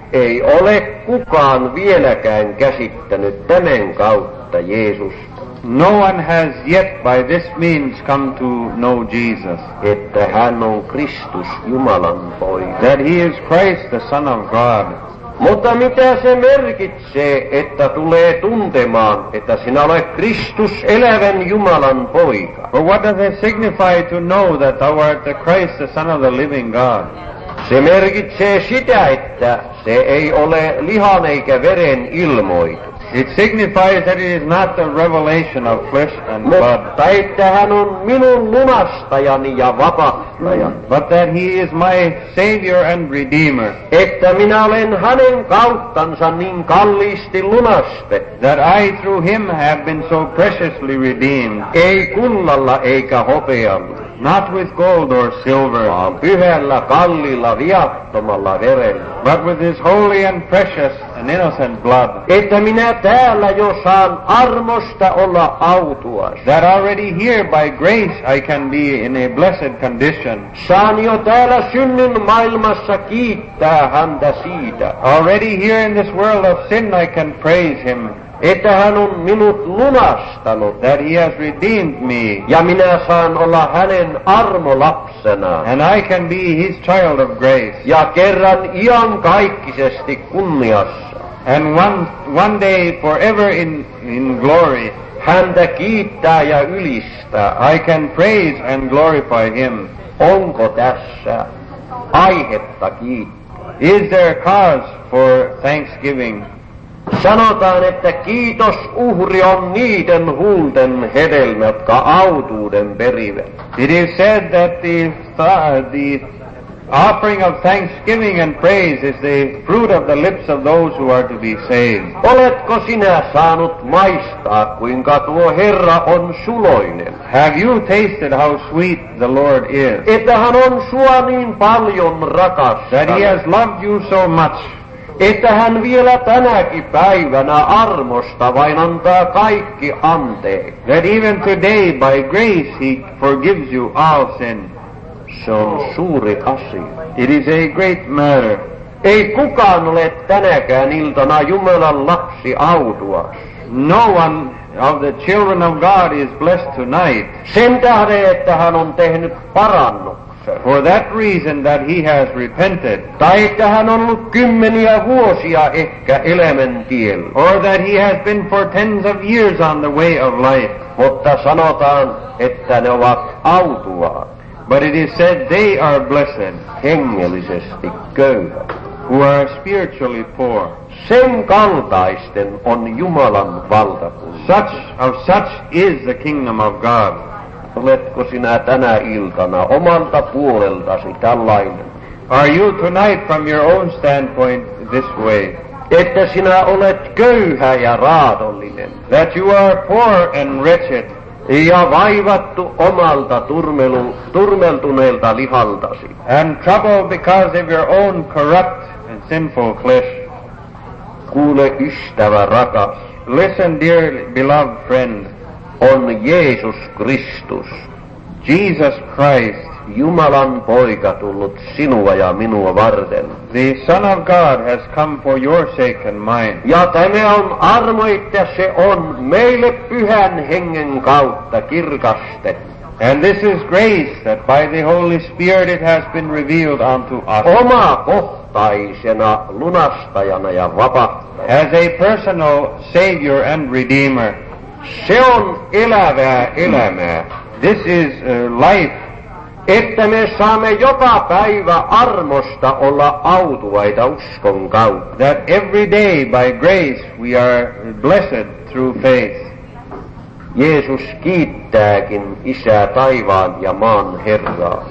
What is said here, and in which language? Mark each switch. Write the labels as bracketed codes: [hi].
[fi] Ei ole kukaan vieläkään käsittänyt tämän kautta Jeesusta. [en] No one has yet by this means come to know Jesus. [fi] Että hän on Kristus, Jumalan poika. [en] That he is Christ, the Son of God. [fi] Mutta mitä se merkitsee, että tulee tuntemaan, että sinä olet Kristus, elävän Jumalan poika? [en] But what does it signify to know that thou art the Christ, the Son of the living God? [fi] Se merkitsee sitä, että se ei ole lihan eikä veren ilmoitus. [en] It signifies that it is not the revelation of flesh and blood. [fi] Mutta että hän on minun lunastajani ja vapahtajani. [en] But that he is my savior and redeemer. [fi] Että minä olen hänen kauttansa niin kalliisti lunastettu. [en] That I through him have been so preciously redeemed. [fi] Ei kullalla eikä hopealla. [en] Not with gold or silver, [fi] pyhällä, kallilla, viattomalla verellä, [en] but with his holy and precious an innocent blood. [fi] Että minä täällä jo saan armosta olla autuas. [en] That already here by grace I can be in a blessed condition. [fi] Saan jo täällä synnin maailmassa kiittää häntä siitä. [en] Already here in this world of sin I can praise him. [fi] Että hän on minut lunastanut. [en] That he has redeemed me. [fi] Ja minä saan olla hänen armolapsena. [en] And I can be his child of grace. [fi] Ja kerran iankaikkisesti kunniassa. [en] And one day forever in glory. [fi] Häntä kiittää ja ylistää. [en] I can praise and glorify him. [fi] Onko tässä aihetta kiittää? [en] Is there cause for thanksgiving? [fi] Sanotaan, että kiitos uhri on niiden huulten hedelmät, jotka autuuden perivät. [en] It is said that the offering of thanksgiving and praise is the fruit of the lips of those who are to be saved. [fi] Oletko sinä saanut maistaa, kuinka tuo Herra on suloinen? [en] Have you tasted how sweet the Lord is? [fi] Että hän on sua niin paljon rakastanut. [en] That he has loved you so much. [fi] Että hän vielä tänäkin päivänä armosta vain antaa kaikki anteeksi. [en] That even today by grace he forgives you all sin. [fi] Se on suuri asia. [en] It is a great matter. [fi] Ei kukaan ole tänäkään iltana Jumalan lapsi autuas. [en] No one of the children of God is blessed tonight. [fi] Sen tähden, että hän on tehnyt parannut. [en] For that reason that he has repented. [fi] Tai että hän on ollut kymmeniä vuosia ehkä elämän tiellä. [en] Or that he has been for tens of years on the way of life. [fi] Mutta sanotaan, että ne ovat autuaat. [en] But it is said they are blessed. [fi] Hengellisesti köyhät. [en] Who are spiritually poor. [fi] Sen kaltaisten on Jumalan valtakunta. [en] Such is the kingdom of God. [fi] Oletko sinä tänä iltana omalta puoleltasi tällainen? [en] Are you tonight from your own standpoint this way? [fi] Että sinä olet köyhä ja raadollinen. [en] That you are poor and wretched. [fi] Ja vaivattu omalta turmeltuneelta lihaltasi. [en] And troubled because of your own corrupt and sinful flesh. [fi] Kuule ystävä rakas. [en] Listen dear beloved friend. [fi] On Jeesus Kristus, [en] Jesus Christ, [fi] Jumalan poika tullut sinua ja minua varten. [en] The Son of God has come for your sake and mine. [fi] Ja tämä on armo, että se on meille pyhän hengen kautta kirkastettu. [en] And this is grace that by the Holy Spirit it has been revealed unto us. [fi] Omakohtaisena lunastajana ja vapahtajana. [en] As a personal Savior and Redeemer. [fi] Se on elävää elämää. [en] This is life. [fi] Että me saamme joka päivä armosta olla autuaita uskon kautta. [en] That every day by grace we are blessed through faith. [fi] Jeesus kiittääkin Isää taivaan ja maan Herraa.